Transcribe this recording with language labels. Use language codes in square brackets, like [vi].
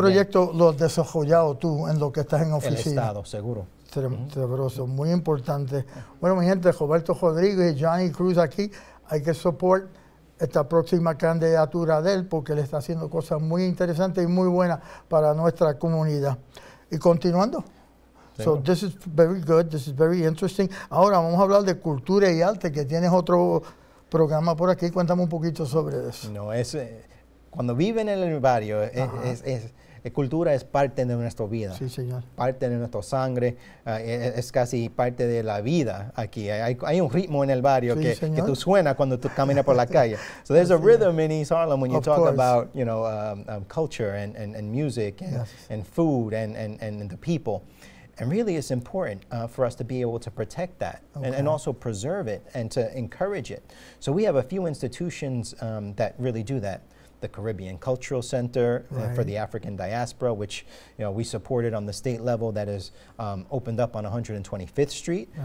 [es] Proyecto lo has desarrollado tú en lo que estás en oficina. El Estado, seguro. Tremendo, muy importante. Bueno, mi gente, Roberto Rodríguez y Johnny Cruz aquí, hay que support esta próxima candidatura de él porque él está haciendo cosas muy interesantes y muy buenas para nuestra comunidad. Y continuando. [en] So this is very good, this is very interesting. [es] Ahora vamos a hablar de cultura y arte, que tienes otro programa por aquí. Cuéntame un poquito sobre eso. No, es cuando viven en el barrio, es cultura es parte de nuestra vida. Sí, señor. Parte de nuestra sangre, es casi parte de la vida aquí. Hay un ritmo en el barrio que tú suena cuando tú caminas por la calle. [en] So there's a rhythm in East Harlem when you talk about, you know, culture and music and food and the people. And really, it's important for us to be able to protect that and also preserve it and to encourage it. So we have a few institutions that really do that. The Caribbean Cultural Center for the African Diaspora, which you know we supported on the state level that has opened up on 125th Street.